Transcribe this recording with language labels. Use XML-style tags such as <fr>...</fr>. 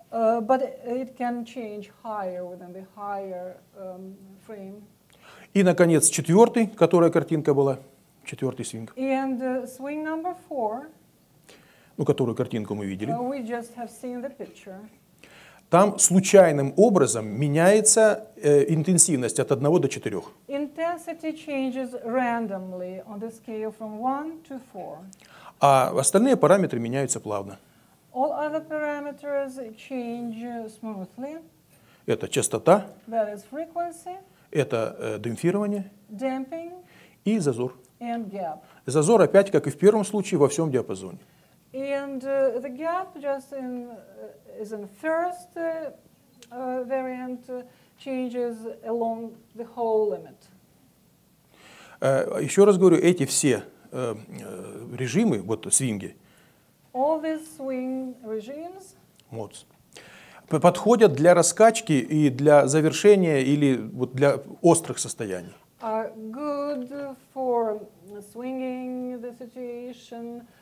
<en>But it can change higher within the higher frame.</en> <ru>И, наконец, четвертый, которая картинка была, четвертый свинг.</ru> <en>And swing number 4.</en> <ru>Ну, которую картинку мы видели.</ru> <en>We just have seen the picture.</en> <ru>Там случайным образом меняется интенсивность от 1 до 4.</ru> <en>Intensity changes randomly on the scale from 1 to 4.</en> <ru>А остальные параметры меняются плавно.</ru> <en>All other parameters change smoothly.</en> <ru>Это частота.</ru> <en>That is frequency.</en> <ru>Это демпфирование.</ru> <en>Damping.</en> <ru>И зазор.</ru> <en>And gap.</en> <ru>Зазор опять, как и в первом случае, во всем диапазоне.</ru> <en>And the gap just in is in first variant changes along the whole limit.</en> <ru>Еще раз говорю, эти все режимы, вот свинги.</ru> <en>All these swing regimes. Modes.</en> <ru>Подходят для раскачки и для завершения или вот для острых состояний.</ru> <en>Are good for swinging the situation.</en>